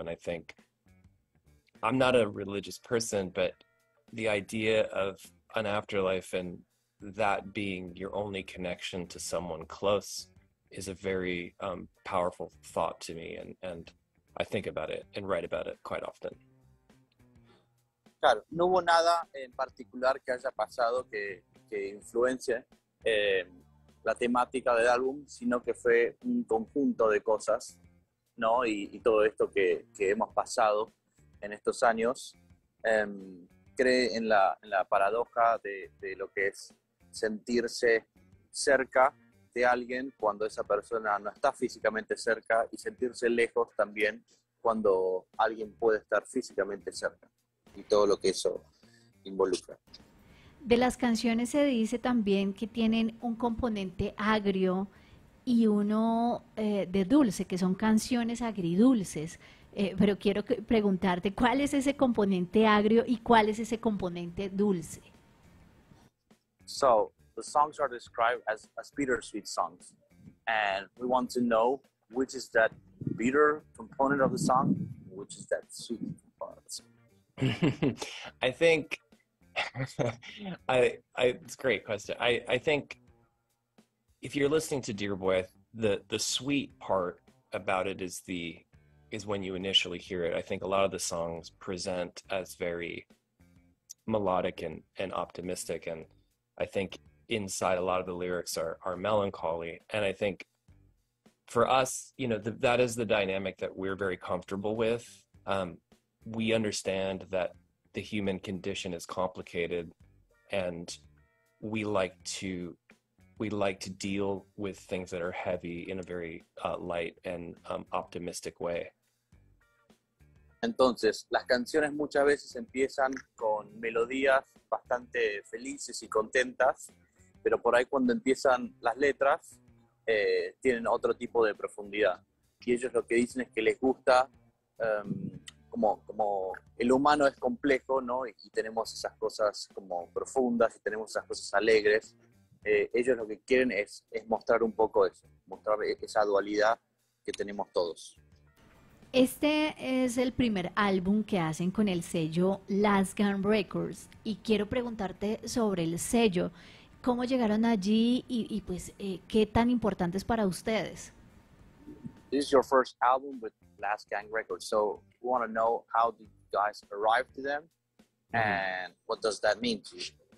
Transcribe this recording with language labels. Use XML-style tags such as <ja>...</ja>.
<en>And I think I'm not a religious person, but the idea of an afterlife and that being your only connection to someone close is a very powerful thought to me, and I think about it and write about it quite often.</en> <es>Claro, no hubo nada en particular que haya pasado que influencie la temática del álbum, sino que fue un conjunto de cosas, ¿no? Y todo esto que hemos pasado en estos años cree en la paradoja de lo que es sentirse cerca de alguien cuando esa persona no está físicamente cerca y sentirse lejos también cuando alguien puede estar físicamente cerca y todo lo que eso involucra. De las canciones se dice también que tienen un componente agrio y uno de dulce, que son canciones agridulces, pero quiero preguntarte, ¿cuál es ese componente agrio y cuál es ese componente dulce?</es> <en>So, the songs are described as bittersweet songs, and we want to know which is that bitter component of the song, which is that sweet component. I think, it's a great question. I think if you're listening to Dear Boy, the sweet part about it is when you initially hear it. I think a lot of the songs present as very melodic and optimistic, and I think inside a lot of the lyrics are melancholy. And I think for us, that is the dynamic that we're very comfortable with. We understand that the human condition is complicated and we like to deal with things that are heavy in a very light and optimistic way.</en> <es>Entonces, las canciones muchas veces empiezan con melodías bastante felices y contentas, pero por ahí cuando empiezan las letras, tienen otro tipo de profundidad. Y ellos lo que dicen es que les gusta, como el humano es complejo, ¿no? Y tenemos esas cosas como profundas y tenemos esas cosas alegres. Ellos lo que quieren es mostrar un poco eso, mostrar esa dualidad que tenemos todos. Este es el primer álbum que hacen con el sello Last Gun Records y quiero preguntarte sobre el sello. ¿Cómo llegaron allí y pues qué tan importante es para ustedes?</es> <en>This is your first album with Last Gun Records, so we want to know how did you guys arrive to them and what does that mean to you?</en>